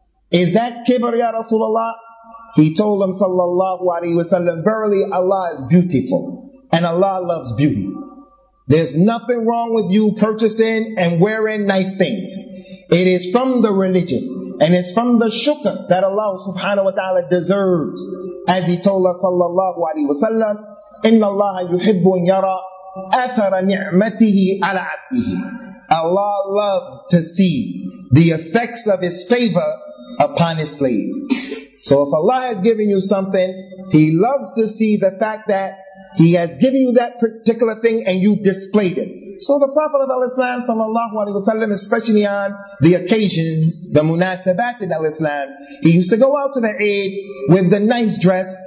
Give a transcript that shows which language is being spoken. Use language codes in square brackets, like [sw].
[en] Is that kibr, Ya Rasulullah? He told him, sallallahu alayhi wa sallam, verily Allah is beautiful, and Allah loves beauty. There's nothing wrong with you purchasing and wearing nice things. It is from the religion, and it's from the shukr that Allah subhanahu wa ta'ala deserves. As he told us, [ar] sallallahu alayhi wa sallam, إِنَّ اللَّهَ يُحِبُّ أَنْ يَرَى أَثَرَ نِعْمَتِهِ عَلَى عَبْدِهِ. [en] Allah loves to see the effects of His favor upon His slaves. So if Allah has given you something, He loves to see the fact that He has given you that particular thing and you displayed it. So the Prophet of Al-Islam, sallallahu alayhi wa sallam, especially on the occasions, the munasabat in Al-Islam, he used to go out to the Eid with the nice dress.